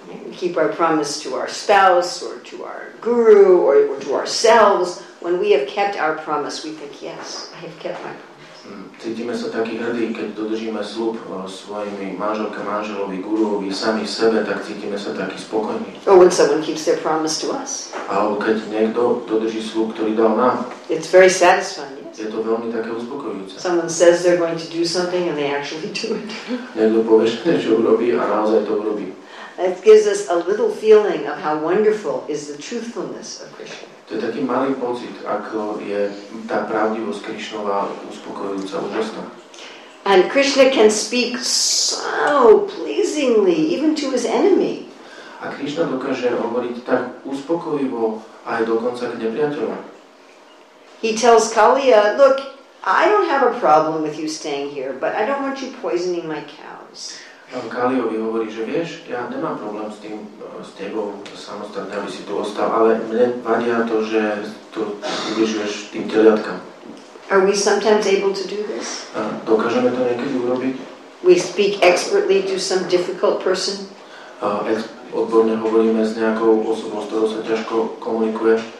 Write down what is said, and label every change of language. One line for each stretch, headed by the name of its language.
English: We keep our promise to our spouse or to our guru or to ourselves. When we have kept our promise, we think, yes, I have kept my promise.
Slovak: Cítime sa taký hrdý, keď dodržíme slub svojimi manželka, manželovi, guruovi, sami sebe, tak cítime sa taký spokojní.
English: Or when someone keeps their promise to us.
Slovak: Alebo keď niekto dodrží slub, ktorý dal nám.
English: It's very satisfying.
Slovak: Je to veľmi také uspokojujúce.
English: Someone says they're going to do something and they actually do it.
Slovak: Niekto povie, že niečo urobí a naozaj to urobí.
English: It gives us a little feeling of how wonderful is the truthfulness of Krishna.
Slovak: To je taký malý pocit, ako je tá pravdivosť Krishnova uspokojujúca, úžasná.
English: And Krishna can speak so pleasingly even to his enemy.
Slovak: A Krishna dokáže hovoriť tak uspokojivo aj dokonca k nepriateľom.
English: He tells Kaliya, look, I don't have a problem with you staying here, but I don't want you poisoning my cows.
Slovak: Kaliovi hovorí, že vieš, ja nemám problém s tým, s tebou samostatne, aby si tu ostal, ale mne vadia to, že tu ubližuješ tým teliatkám.
English: Are we sometimes able to do this?
Slovak: Dokážeme to niekedy urobiť?
English: We speak expertly to some difficult person.
Slovak: Odborne hovoríme s nejakou osobou, s ktorou sa ťažko komunikuje.